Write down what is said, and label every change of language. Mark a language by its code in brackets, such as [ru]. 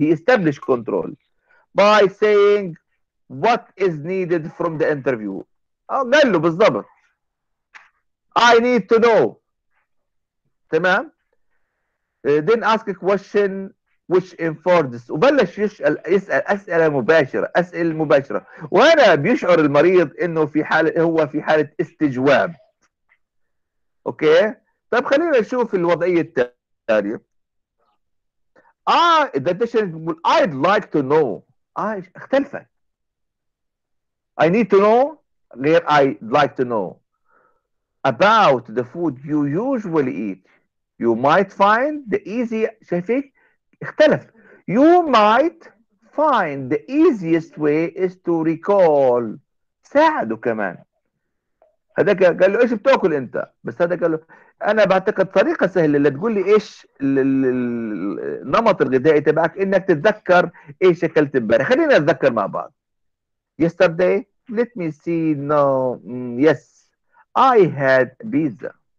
[en] He established control by saying what is needed from the interview. [ar] قال له بالضبط. [en] I need to know. [ar] تمام؟ [en] then ask a question which informs this. [ar] وبلش يسأل أسئلة مباشرة. أسئلة مباشرة. وهنا بيشعر المريض إنه في حالة, هو في حالة استجواب. أوكي؟ طيب خلينا نشوف الوضعية التالية. [en] I'd like to know. [ar] اختلفت. [en] I need to know [ar] غير [en] I'd like to know about the food you usually eat. You might find the easiest, [ar] شايفيك اختلف. [en] You might find the easiest way is to recall. [ar] ساعده كمان. هذا قال له ايش بتاكل انت؟ بس هذا قال له انا بعتقد طريقة سهلة اللي تقول لي ايش النمط الغذائي تبعك انك تتذكر ايش اكلت امبارح. خلينا نتذكر مع بعض. [en] Yesterday, let me see. No, yes, I had pizza.